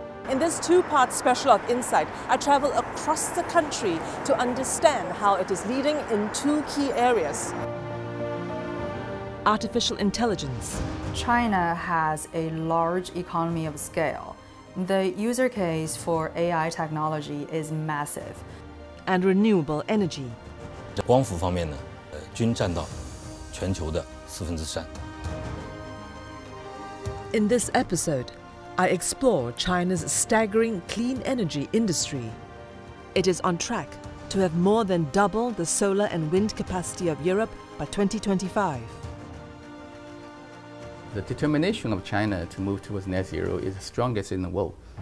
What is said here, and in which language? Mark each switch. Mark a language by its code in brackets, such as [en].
[en] In this two-part special of Insight, I travel across the country to understand how it is leading in two key areas. Artificial intelligence. China has a large economy of scale. The user case for AI technology is massive. And renewable energy. [zh] 光伏方面呢, 均占到全球的四分之三。 [en] In this episode, I explore China's staggering clean energy industry. It is on track to have more than double the solar and wind capacity of Europe by 2025. The determination of China to move towards net zero is the strongest in the world.